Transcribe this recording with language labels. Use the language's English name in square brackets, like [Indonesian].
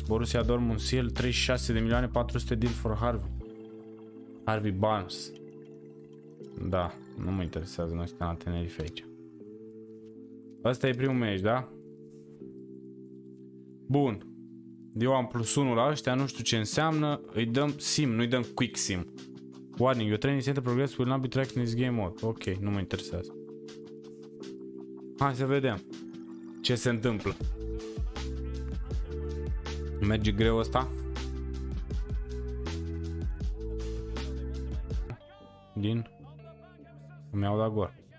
[English] Borussia Dortmund seal 36.400.000 deal for Harvey. Harvey Barnes. [Romanian] Da, nu mă interesează, noi suntem la Tenerife aici. Ăsta e primul meci, da? Bun. Eu am plus 1 la ăștia, nu știu ce înseamnă. Îi dăm sim, nu-i dăm quick sim. [English] Warning, your training center progress will not be tracked in this game mode. [Romanian] Ok, nu mă interesează. Hai să vedem ce se întâmplă. Merge greu ăsta? Din... Mi-au dat gol.